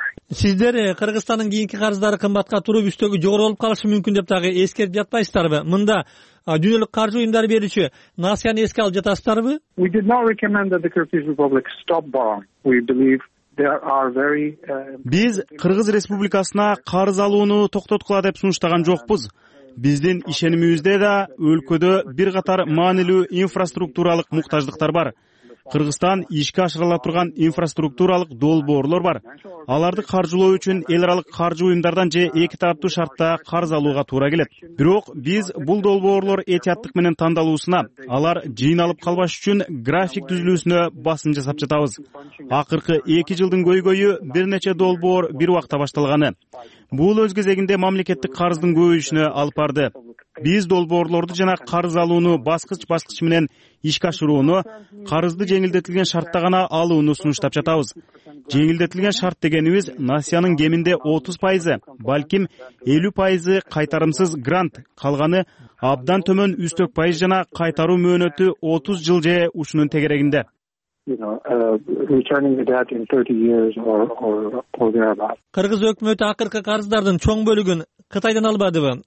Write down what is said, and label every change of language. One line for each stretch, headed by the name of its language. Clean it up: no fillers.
Kyrgyz: Сиздер Кыргызстандын кийинки карыздары кымбатка туруп үстөгү жогору болуп калышы мүмкүн деп дагы эскертип жатпайсыздарбы? Мында дүйнөлүк каржы уюмдары берүүчү насыяны эске алып жатасыздарбы?
English: We did not recommend that the Kyrgyz Republic stop borrowing. We believe
Kyrgyz: Биз Кыргыз Республикасына карыз алууну токтоткула деп сунуштаган жокпуз. Биздин ишенимибизде да өлкөдө бир катар маанилүү инфраструктуралык муктаждыктар бар. Кыргызстан ишке ашырыла турган инфраструктуралык долбоорлор бар. Аларды каржылоо үчүн эл аралык каржы уюмдардан же эки тараптуу шартта карыз алууга туура келет. Бирок биз бул долбоорлор этияттык менен тандалуусуна, алар жыйналып калбаш үчүн график түзүлүүсүнө басым жасап жатабыз. Акыркы 2 жылдын көйгөйү бир нече долбоор бир убакта башталганы. Бул өз кезегинде мамлекеттик карыздын көбөйүшүнө алып барды. Биз долбоорлорду жана карыз алууну баскыч-баскыч менен ишке ашырууну, карызды жеңилдетилген шартта гана алууну сунуштап жатабыз. Жеңилдетилген шарт дегенибиз насыянын кеминде 30%, балким 50% кайтарымсыз грант, калганы абдан төмөн 3-4% жана кайтаруу мөөнөтү 30 жыл же ушунун тегерегинде.
English: Returning the debt in 30 years or thereabouts.
Kyrgyz: Кыргыз өкмөтү акыркы карыздардын чоң бөлүгүн Кытайдан албадыбы?